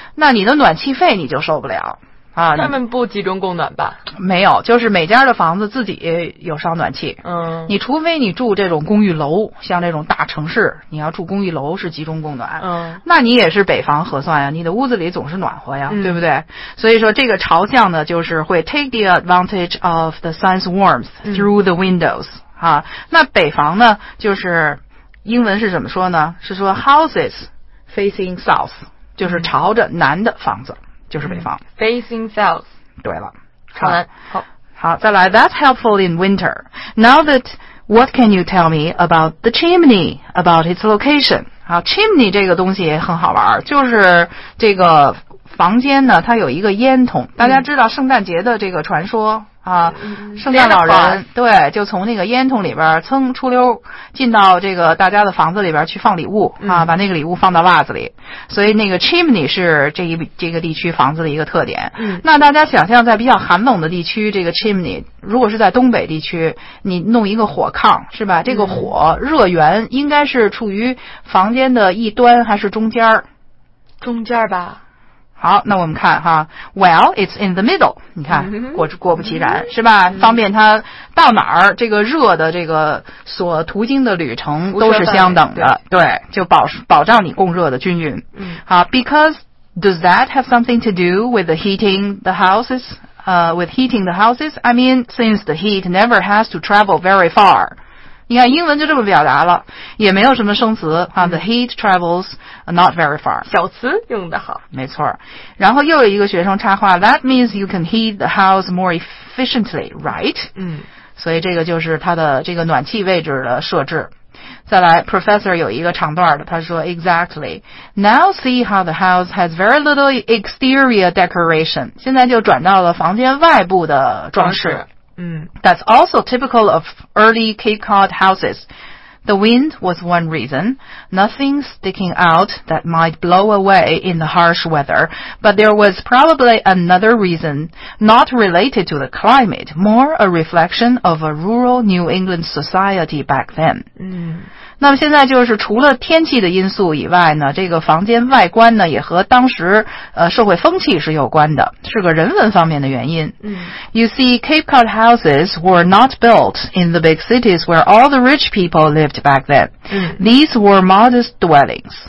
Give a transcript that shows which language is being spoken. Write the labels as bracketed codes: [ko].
[zh] 那你的暖气费你就受不了啊，他们不集中供暖吧没有就是每家的房子自己有烧暖气嗯，你除非你住这种公寓楼像这种大城市你要住公寓楼是集中供暖嗯，那你也是北方核算呀你的屋子里总是暖和呀、嗯、对不对所以说这个朝向呢就是会 [en] take the advantage of the sun's warmth through the windows、 [zh] 嗯啊、那北房呢就是英文是怎么说呢是说 [en] houses facing south [zh] 就是朝着南的房子、嗯就是北方、 [en] 嗯、facing south [zh] 对了好好再来 [en] that's helpful in winter now that what can you tell me about the chimney about its location [zh] 好 chimney 这个东西也很好玩就是这个房间呢它有一个烟筒大家知道圣诞节的这个传说、嗯啊，圣诞老人对，就从那个烟囱里边蹭出溜进到这个大家的房子里边去放礼物啊、嗯，把那个礼物放到袜子里，所以那个 chimney 是这个地区房子的一个特点。嗯，那大家想象在比较寒冷的地区，这个 chimney 如果是在东北地区，你弄一个火炕是吧？这个火、嗯、热源应该是处于房间的一端还是中间？中间吧。好，那我们看哈 [en] ，Well, it's in the middle. [zh] 你看，果不其然，是吧？方便它到哪儿，这个热的这个所途经的旅程都是相等的，对，就保障你供热的均匀。 [en] 好 ，Because does that have something to do with the heating the houses? With heating the houses, I mean, since the heat never has to travel very far. [zh] 你看英文就这么表达了，也没有什么生词啊。 [en] The heat travels not very far. [zh] 小词用得好，没错。然后又有一个学生插话 ， [en] That means you can heat the house more efficiently, right? [zh] 嗯，所以这个就是它的这个暖气位置的设置。再来 ，Professor 有一个长段的，他说 ， [en] Exactly. Now see how the house has very little exterior decoration. [zh] 现在就转到了房间外部的装饰。 [en] That's also typical of early Cape Cod houses. The wind was one reason. Nothing sticking out that might blow away in the harsh weather. But there was probably another reason, not related to the climate, more a reflection of a rural New England society back then. [zh] 那么现在就是除了天气的因素以外呢，这个房间外观呢也和当时社会风气是有关的，是个人文方面的原因。 [en] You see, Cape Cod houses were not built in the big cities where all the rich people lived back then. These were modest dwellings.